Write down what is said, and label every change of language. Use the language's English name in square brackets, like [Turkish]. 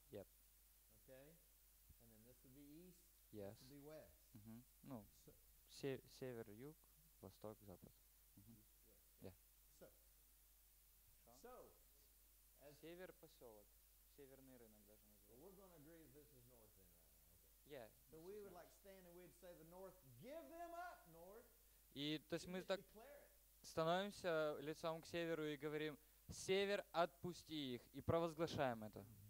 [English] Yep. Okay, and then this would be east. Yes. This would be west. Mm-hmm. [Russian] Ну, север, юг, восток, запад. [English] Mm-hmm. Yeah. So, [Russian] as север поселок, северный рынок даже называется. [English] Well, we're going to agree that this is north then, right? Okay. Yeah. So this we would north. Like stand and we'd say the north, give them up, north. [Russian] И то есть мы так становимся лицом к северу и говорим: север, отпусти их, и провозглашаем это.